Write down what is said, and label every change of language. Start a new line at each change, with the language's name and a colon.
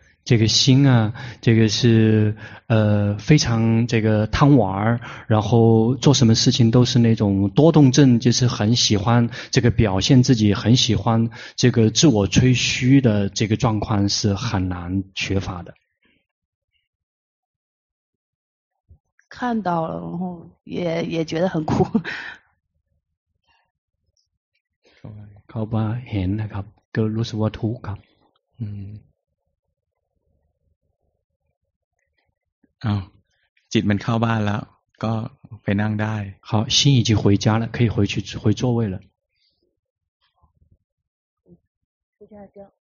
Chinese: 这个心啊这个是非常这个贪玩然后做什么事情都是那种多动症就是很喜欢这个表现自己很喜欢这个自我吹嘘的这个状况是很难缺乏的看到了然后也觉得很苦
Thai: เขาบอกเห็นนะครับก็รู้สึกว่าทุกข์ครับ เอาจิตมันเข้าบ้านแล้วก็ไปนั่งได้
Chinese: 好心已经回家了可以回去回座位了回家了